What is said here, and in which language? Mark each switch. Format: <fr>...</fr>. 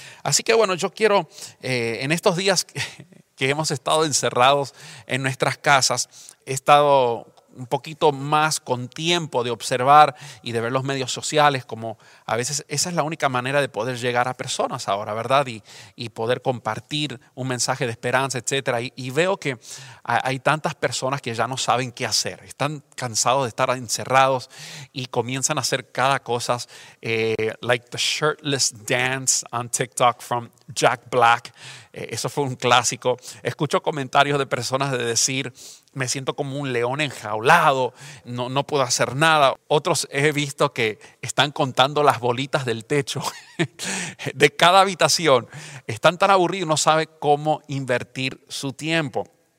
<es>Así que bueno, yo quiero en estos días que hemos estado encerrados en nuestras casas, he estado un poquito más con tiempo de observar y de ver los medios sociales, como a veces esa es la única manera de poder llegar a personas ahora, ¿verdad? Y poder compartir un mensaje de esperanza, etcétera. Y veo que hay tantas personas que ya no saben qué hacer. Están cansados de estar encerrados y comienzan a hacer cada cosa.</es> <en>Like the shirtless dance on TikTok from Jack Black.</en> <es>Eso fue un clásico. Escucho comentarios de personas de decir: me siento como un león enjaulado, no puedo hacer nada. Otros he visto que están contando las bolitas del techo de cada habitación. Están tan aburridos, no saben cómo invertir su tiempo.</es>